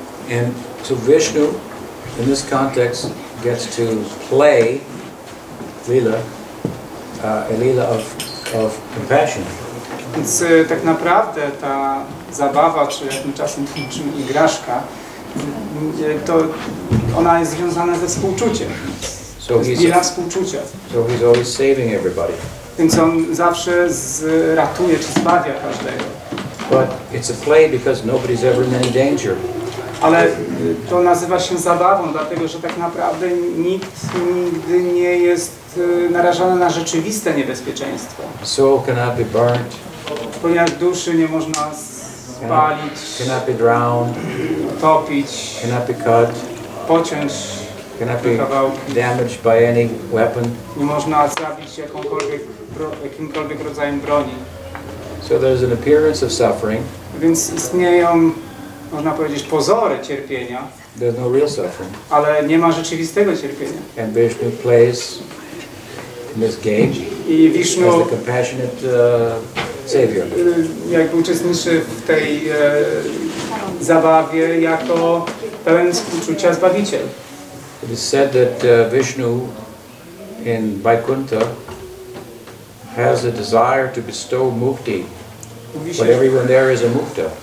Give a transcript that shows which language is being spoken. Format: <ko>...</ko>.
<en>And so Vishnu in this context gets to play Lila, a Lila of compassion.</en> <pl>Więc tak naprawdę ta zabawa, czy jak my czasem mówimy, igraszka, to ona jest związana ze współczuciem.</pl> <en>So</en> <pl>jest Lila współczucia.</pl> <en>So he's always saving everybody.</en> <pl>Więc on zawsze ratuje czy zbawia każdego.</pl> <en>But it's a play because nobody's ever in any danger.</en> <pl>Ale to nazywa się zabawą, dlatego że tak naprawdę nikt nigdy nie jest narażany na rzeczywiste niebezpieczeństwo.</pl> <en>Soul cannot be burnt.</en> <pl>Ponieważ duszy nie można spalić,</pl> <en>cannot be drowned,</en> <pl>topić,</pl> <en>cannot be cut,</en> <pl>pociąć,</pl> <en>cannot be damaged by any weapon.</en> <pl>Nie można zabić jakimkolwiek rodzajem broni.</pl> <en>So there's an appearance of suffering.</en> <pl>Więc istnieją, można powiedzieć, pozory cierpienia.</pl> <en>There's no real suffering.</en> <pl>Ale nie ma rzeczywistego cierpienia.</pl> <en>And Vishnu plays in this game.</en> <pl>I Vishnu,</pl> <en>as the compassionate savior.</en> <pl>Jakby uczestniczy w tej zabawie jako pełen współczucia zbawiciel.</pl> <en>It is said that Vishnu in Vaikuntha has a desire to bestow mukti. But everyone there is a mukta.</en>